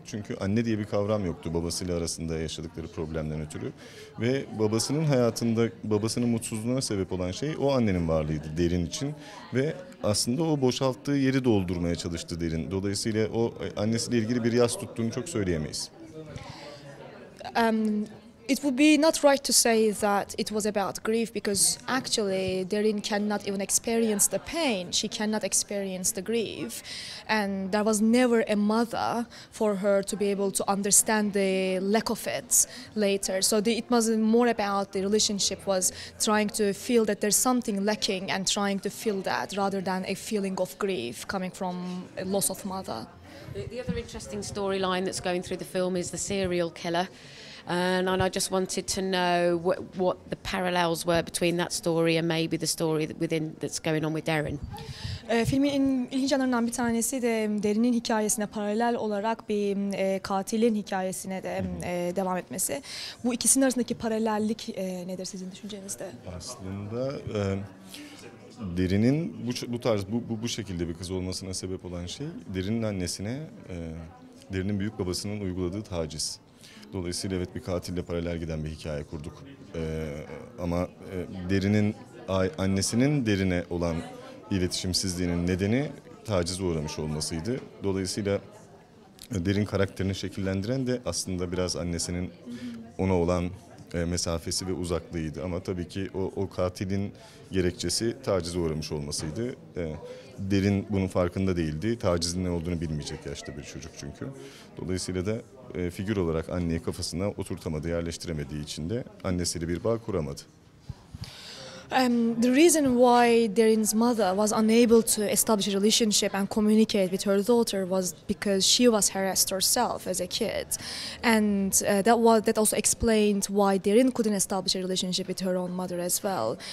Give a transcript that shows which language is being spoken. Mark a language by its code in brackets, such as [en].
[tr] Çünkü anne diye bir kavram yoktu babasıyla arasında yaşadıkları problemden ötürü. Ve babasının hayatında, babasının mutsuzluğuna sebep olan şey o annenin varlığıydı Derin için. Ve aslında o boşalttığı yeri doldurmaya çalıştı Derin. Dolayısıyla o annesiyle ilgili bir yas tuttuğunu çok söyleyemeyiz. [en] it would be not right to say that it was about grief, because actually Derin cannot even experience the pain. She cannot experience the grief, and there was never a mother for her to be able to understand the lack of it later. So it was more about the relationship was trying to feel that there's something lacking and trying to feel that, rather than a feeling of grief coming from a loss of mother. The other interesting storyline that's going through the film is the serial killer. And I just wanted to know what the parallels were between that story and maybe the story that's going on with Derin. [tr] Filmin ilginç yanlarından bir tanesi de Derin'in hikayesine paralel olarak bir katilin hikayesine de devam etmesi. Bu ikisinin arasındaki paralellik nedir sizin düşüncenizde? Aslında Derin'in bu tarz bu şekilde bir kız olmasına sebep olan şey Derin'in annesine Derin'in büyük babasının uyguladığı taciz. Dolayısıyla evet, bir katille paralel giden bir hikaye kurduk. Ama Derin'in annesinin Derin'e olan iletişimsizliğinin nedeni tacize uğramış olmasıydı. Dolayısıyla Derin karakterini şekillendiren de aslında biraz annesinin ona olan mesafesi ve uzaklığıydı. Ama tabii ki o katilin gerekçesi tacize uğramış olmasıydı. Derin bunun farkında değildi. Tacizin ne olduğunu bilmeyecek yaşta bir çocuk çünkü. Dolayısıyla da figür olarak anneyi kafasına oturtamadı, yerleştiremediği için de annesiyle bir bağ kuramadı. [en] The reason why Derin's mother was unable to establish a relationship and communicate with her daughter was because she was harassed herself as a kid, and that also explained why Derin couldn't establish a relationship with her own mother as well.